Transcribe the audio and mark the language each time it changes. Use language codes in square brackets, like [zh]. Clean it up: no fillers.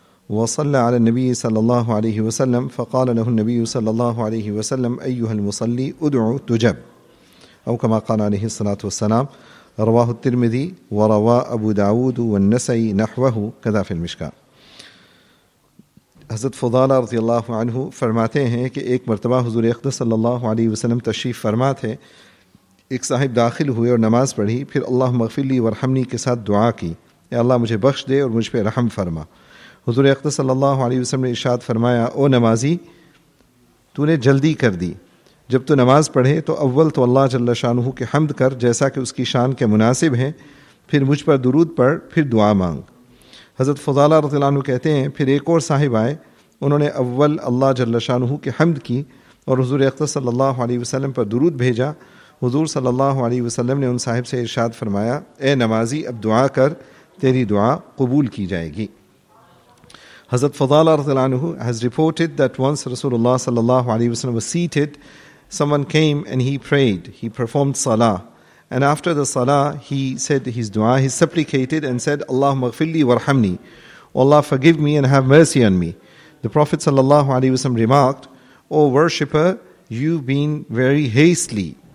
[ar] وصلى على النبي صلى الله عليه وسلم فقال له النبي صلى الله عليه وسلم أيها المصلي ادعو تجب أو كما قال عليه الصلاة والسلام رواه الترمذي وروى أبو داود والنسائي نحوه كذا في المشكات. [ur] حضرت فضالہ رضی اللہ عنہ فرماتے ہیں کہ ایک مرتبہ حضور اقدس صلی اللہ علیہ وسلم تشریف فرما تھے، ایک صاحب داخل ہوئے اور نماز پڑھی، پھر [ar] اللہم اغفر لی ورحمنی [ur] کے ساتھ دعا کی، اے اللہ مجھے بخش دے اور مجھ پہ رحم فرما. حضور اقدس صلی اللہ علیہ وسلم نے ارشاد فرمایا، او نمازی تو نے جلدی کر دی، جب تو نماز پڑھے تو اول تو اللہ جل شانہ کی حمد کر جیسا کہ اس کی شان کے مناسب ہیں، پھر مجھ پر درود پڑھ، پھر دعا مانگ. حضرت فضالہ رضی اللہ عنہ کہتے ہیں پھر ایک اور صاحب آئے، انہوں نے اول اللہ جل شانہ کی حمد کی اور حضور اقدس صلی اللہ علیہ وسلم پر درود بھیجا. حضور صلی اللہ علیہ وسلم نے ان صاحب سے ارشاد فرمایا، اے نمازی اب دعا کر، تیری دعا قبول کی جائے گی. [en] حضرت فضالہ رضی اللہ عنہ has reported that once رسول اللہ صلی اللہ علیہ وسلم was seated, someone came and he prayed, he performed salah. And after the salah, he said his dua, he supplicated and said, [ar] Allahumma ghfirli warhamni. [en] Oh Allah, forgive me and have mercy on me. The Prophet sallallahu alaihi wasallam remarked, O worshipper, you've been very hastily.